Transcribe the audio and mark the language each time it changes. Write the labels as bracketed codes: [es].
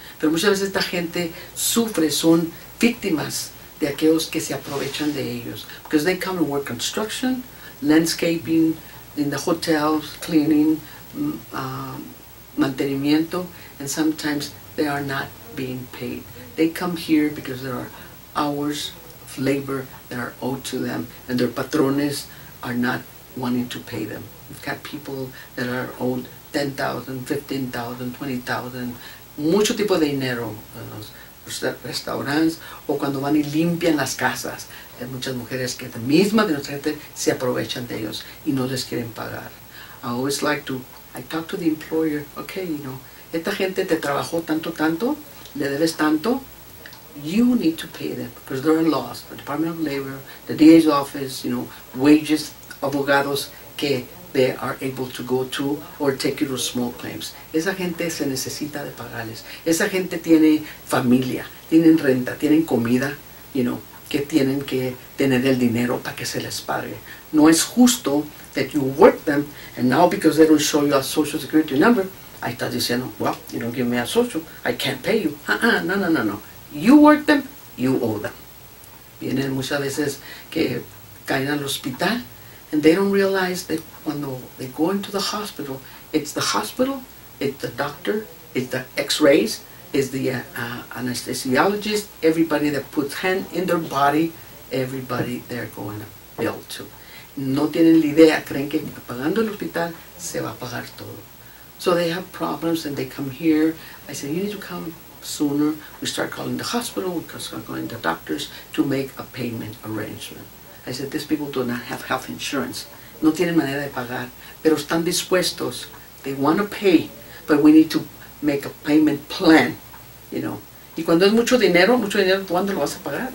[es] Pero muchas veces esta gente sufre, son víctimas de aquellos que se aprovechan de ellos. [en] Because they come and work construction, landscaping, in the hotels, cleaning, mantenimiento, and sometimes they are not being paid. They come here because there are hours of labor that are owed to them, and their patrones are not wanting to pay them. We've got people that are owed $10,000, $15,000, $20,000, [es] mucho tipo de dinero en los restaurantes, o cuando van y limpian las casas. Hay muchas mujeres que la misma de nuestra gente se aprovechan de ellos y no les quieren pagar. [en] I talk to the employer, okay, you know, [es] esta gente te trabajó tanto, tanto, le debes tanto, [en] you need to pay them, because there are laws, the Department of Labor, the DA's office, you know, wages, [es] abogados, que [en] they are able to go to or take your small claims. [es] Esa gente se necesita de pagarles. Esa gente tiene familia, tienen renta, tienen comida, you know, que tienen que tener el dinero para que se les pague. No es justo [en] that you work them, and now because they don't show you a social security number, [es] ahí estás diciendo, [en] well, you don't give me a social, I can't pay you. No. You work them, you owe them. [es] Vienen muchas veces que caen al hospital, [en] and they don't realize that when they go into the hospital, it's the hospital, it's the doctor, it's the x-rays, is the anesthesiologist, everybody that puts hand in their body, everybody they're going to bill to. [es] No tienen la idea, creen que pagando el hospital se va a pagar todo. [en] So they have problems and they come here. I say, you need to come sooner. We start calling the hospital, we start calling the doctors to make a payment arrangement. I said, these people do not have health insurance. [es] No tienen manera de pagar, pero están dispuestos. [en] They want to pay, but we need to make a payment plan, you know. [es] Y cuando es mucho dinero, ¿cuándo lo vas a pagar?